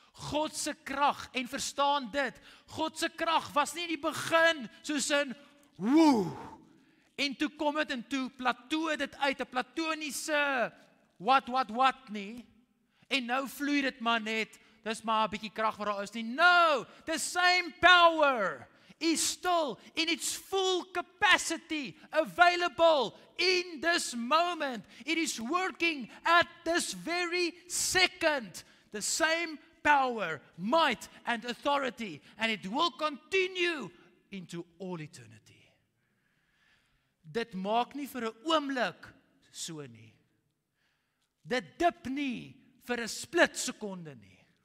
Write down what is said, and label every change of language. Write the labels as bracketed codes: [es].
[af] God se krag, en verstaan dit, God se krag was nie die begin, soos in, woe, en toe kom het en toe plateau dit uit, 'n platoniese, wat nie, en nou vloei dit maar net, dis maar 'n bietjie krag wat daar is nie. [en] No, the same power is still in its full capacity available in this moment. It is working at this very second. The same power, might and authority, and it will continue into all eternity. [af] Dit maak nie vir 'n oomblik so nie. Dit dip nie vir 'n split sekonde nie.